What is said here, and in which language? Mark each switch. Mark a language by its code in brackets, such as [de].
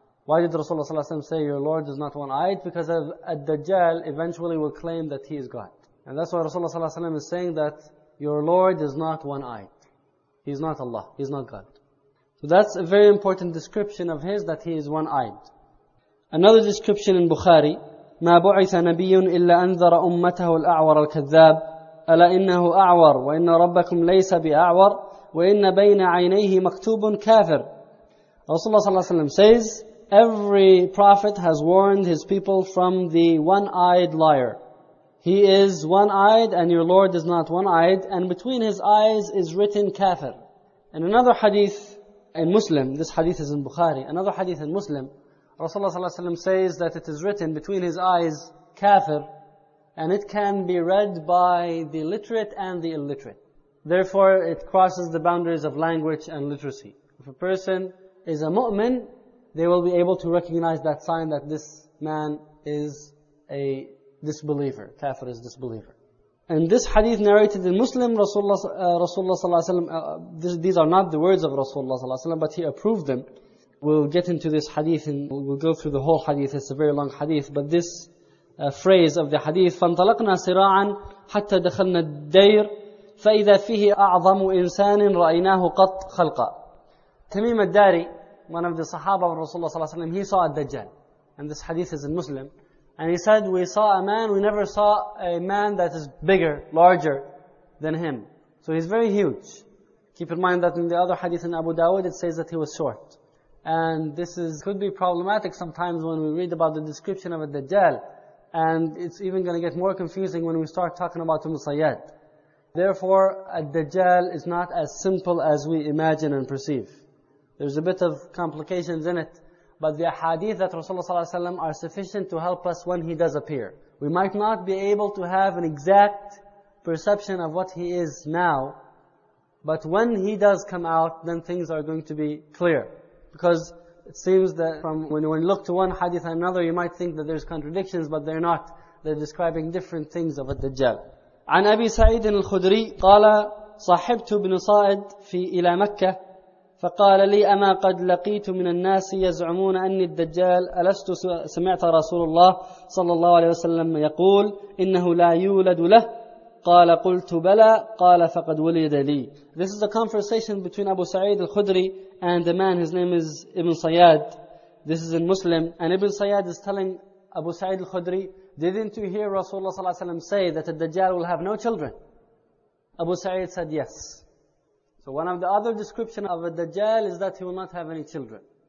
[en] Why did Rasulullah Sallallahu Alaihi Wasallam say your Lord is not one-eyed? Because al-Dajjal eventually will claim that he is God. And that's why Rasulullah Sallallahu Alaihi Wasallam is saying that your Lord is not one-eyed. He's not Allah, he's not God. So that's a very important description of his, that he is one-eyed. Another description in Bukhari, [ar] مَا بُعِثَ نَبِيٌ إِلَّا أَنذَرَ أُمَّتَهُ الْأَعْوَرَ الْكَذَّابِ أَلَا إِنَّهُ أَعْوَرْ وَإِنَّ رَبَّكُمْ لَيْسَ بِأَعْوَرْ وَإِنَّ بَيْنَ عَيْنَيْهِ مَكْتُوبٌ كَافِرٌ. [en] Rasulullah Sallallahu Alaihi Wasallam says, every prophet has warned his people from the one-eyed liar. He is one-eyed and your Lord is not one-eyed, and between his eyes is written kafir. In another hadith in Muslim, this hadith is in Bukhari, another hadith in Muslim, Rasulullah Sallallahu Alaihi Wasallam says that it is written between his eyes kafir, and it can be read by the literate and the illiterate. Therefore, it crosses the boundaries of language and literacy. If a person is a mu'min, they will be able to recognize that sign that this man is a disbeliever. Kafir is disbeliever. And this hadith narrated in Muslim, Rasulullah Sallallahu Alaihi Wasallam, these are not the words of Rasulullah Sallallahu Alaihi Wasallam, but he approved them. We'll get into this hadith and we'll go through the whole hadith. It's a very long hadith, but this phrase of the hadith, [ar] فَانْطَلَقْنَا صِرَاعًا حَتَّى دَخَلْنَا الدَّيْرِ فَإِذَا فِيهِ أَعْظَمُ إِنسَانٍ رَأَيْنَاهُ قَطْ خَلْقًا. [en] Tamim al-Dari, one of the Sahaba of Rasulullah Sallallahu Alaihi Wasallam, he saw a Dajjal. And this hadith is in Muslim. And he said, we saw a man, we never saw a man that is bigger, larger than him. So he's very huge. Keep in mind that in the other hadith in Abu Dawud, it says that he was short. And this is could be problematic sometimes when we read about the description of a Dajjal. And it's even going to get more confusing when we start talking about the Musayyad. Therefore, al-Dajjal is not as simple as we imagine and perceive. There's a bit of complications in it. But the hadith that Rasulullah Sallallahu Alaihi Wasallam are sufficient to help us when he does appear. We might not be able to have an exact perception of what he is now. But when he does come out, then things are going to be clear. Because it seems that from when you look to one hadith and another, you might think that there's contradictions, but they're not. They're describing different things of al-Dajjal. [ar] عن أبي سعيد الخدري قال صاحبت بن صائد في إلى مكة فقال لي أما قد لقيت من الناس يزعمون أني الدجال ألست سمعت رسول الله صلى الله عليه وسلم يقول إنه لا يولد له قال قلت بلى قال فقد ولد لي. [en] This is a conversation between Abu Sa'id al-Khudri and a man, his name is Ibn Sayyad. This is in Muslim. And Ibn Sayyad is telling Abu Sa'id al-Khudri, didn't you hear Rasulullah sallallahu alayhi wa sallam say that al-Dajjal will have no children? Abu Sa'id said yes. So one of the other description of al-Dajjal is that he will not have any children.